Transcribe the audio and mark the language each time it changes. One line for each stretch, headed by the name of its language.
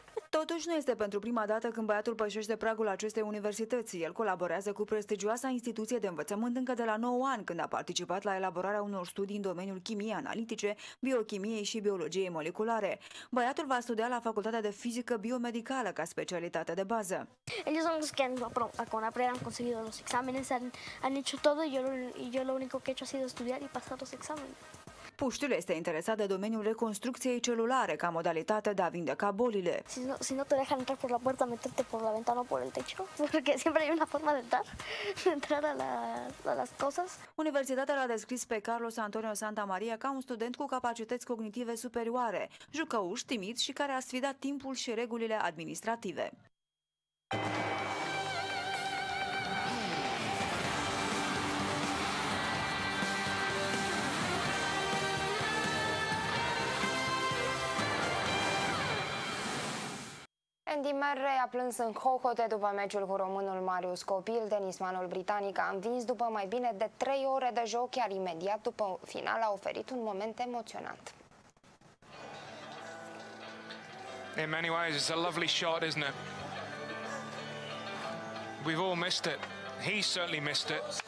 Romanian: Totuși, nu este pentru prima dată când băiatul pășește pragul acestei universități. El colaborează cu prestigioasa instituție de învățământ încă de la 9 ani, când a participat la elaborarea unor studii în domeniul chimiei analitice, biochimiei și biologiei moleculare. Băiatul va studia la Facultatea de Fizică Biomedicală ca specialitate de bază.
Spanish: Ellos son los que con apoyo han conseguido los exámenes, han hecho todo y yo lo único que he hecho ha sido estudiar y pasar los exámenes.
Romanian: Puștiul este interesat de domeniul reconstrucției celulare ca modalitate de a vindeca bolile.
Spanish: Si no te deja entrar por la puerta, meterte por la ventana o por el techo, porque siempre hay una forma de entrar a las cosas.
Romanian: Universitatea l-a descris pe Carlos Antonio Santa Maria ca un student cu capacități cognitive superioare, jucăuș, timid și care a sfidat timpul și regulile administrative. Andy Murray a plâns în hohote după meciul cu românul Marius Copil. Tenismanul britanic a învins după mai bine de 3 ore de joc, iar imediat după final a oferit un moment emoționant.
English: In many ways, it's a lovely shot, isn't it? We've all missed it. He certainly missed it.